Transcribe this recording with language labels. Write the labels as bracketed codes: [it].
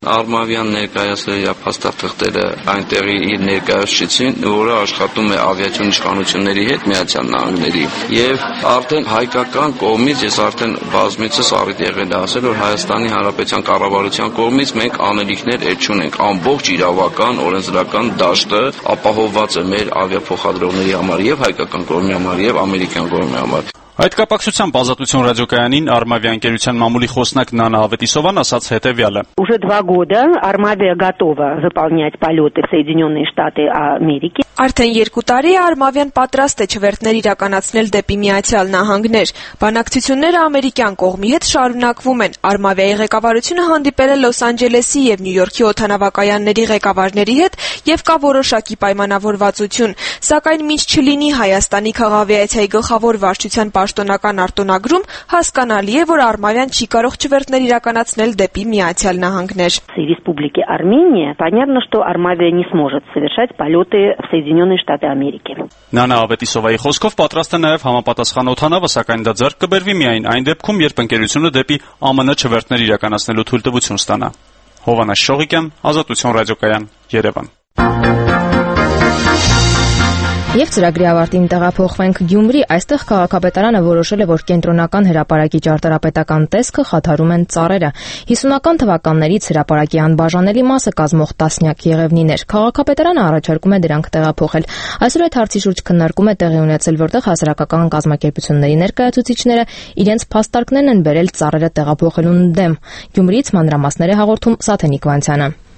[hy] Արմավիան ներկայացրել իր փաստաթղթերը այնտեղի իր ներկայացուցիչին, որը աշխատում է ավիացիոն իշխանությունների հետ Միացյալ Նահանգների, և արդեն հայկական կողմից ես արդեն բազմիցս առիթ եղել ասել, որ Հայաստանի Հանրապետության կառավարության կողմից մենք անելիքներ չունենք, ամբողջ իրավական օրենսդրական դաշտը ապահովված է մեր ավիափոխադրողների համար, և հայկական կողմի համար, և ամերիկյան կողմի համար։ Այդ կապակցությամբ Ազատություն ռադիոկայանին Արմավի անկերության մամուլի խոսնակ Նանա Ավետիսովան ասաց հետևյալը. [ru] Уже 2 года Армавия готова выполнять полёты в Соединённые Штаты Америки. [hy] Արդեն 2 տարի է Արմավիան պատրաստ է չվերթներ իրականացնել դեպի Միացյալ Նահանգներ։ Բանակցությունները ամերիկյան կողմի հետ շարունակվում են։ Արմավիայի ղեկավարությունը հանդիպել է Լոս Անջելեսի եւ Նյու Յորքի օթանավակայանների ղեկավարների հետ եւ կա որոշակի պայմանավորվածություն, սակայն ոչ չլինի Հայաստանի քաղավիացիայի գլխավոր վարչության պաշտոնական արտոնագրում հասկանալի է, որ Արմավիան չի կարող չվերթներ իրականացնել դեպի Միացյալ Նահանգներ։ [ru] Республики Армения, понятно, что Армавия не сможет совершать полёты в Соединённые Штаты Америки. [hy] Նանա Ավետիսովայի խոսքով պատրաստ է նաև համապատասխան օթանավը, սակայն դա ձեռք կբերվի միայն այն դեպքում, երբ ընկերությունը դեպի ԱՄՆ չվերթներ իրականացնելու թույլտվություն ստանա։ Հովանես Շողիկյան, Ազատություն ռադիոկայան, Երևան։ Եվ ծրագրի ավարտին տեղափոխվենք Գյումրի, այստեղ քաղաքապետարանը որոշել է, որ կենտրոնական հրապարակի ճարտարապետական տեսքը խաթարում են ծառերը։ 50-ական թվականներից հրապարակի անբաժանելի մասը կազմող տասնյակ եղևնիներ, քաղաքապետարանը առաջարկում է դրանք տեղափոխել։ Այսօր այդ հարցի շուրջ քննարկում է տեղի ունեցել, որտեղ հասարակական կազմակերպությունների ներկայացուցիչները իրենց փաստարկներն են բերել ծառերը տեղափոխելուն դեմ։ Գյումրից մանրամասները հաղորդում Սաթեն Իկվանցյանը։